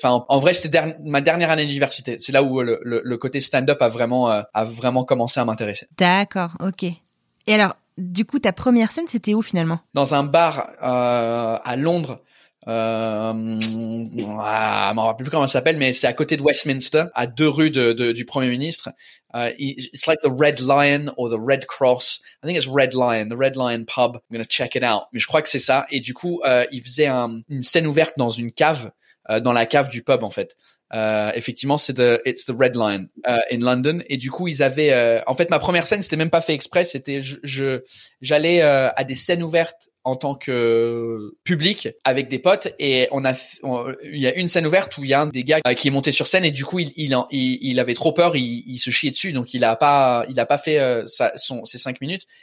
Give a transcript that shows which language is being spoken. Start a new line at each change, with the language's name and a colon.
French: Enfin, en vrai, c'est ma dernière année d'université. C'est là où le côté stand-up a vraiment commencé à m'intéresser. D'accord. OK. Et alors, du coup, ta première scène, c'était où finalement? Dans un bar, à Londres. Je m'en rappelle plus comment ça s'appelle, mais c'est à côté de Westminster, à deux rues du Premier ministre.
English: It's like the Red Lion or the Red Cross. I think it's Red Lion, the Red Lion Pub. I'm gonna check it out.
French: Mais je crois que c'est ça. Et du coup, il faisait une scène ouverte dans une cave, dans la cave du pub, en fait. Effectivement,
English: it's the Red Lion, in London.
French: Et du coup, ils avaient, en fait, ma première scène, c'était même pas fait exprès. C'était, j'allais, à des scènes ouvertes en tant que public avec des potes, et il y a une scène ouverte où il y a un des gars qui est monté sur scène, et du coup il avait trop peur, il se chiait dessus, donc il a pas fait ses 5 minutes.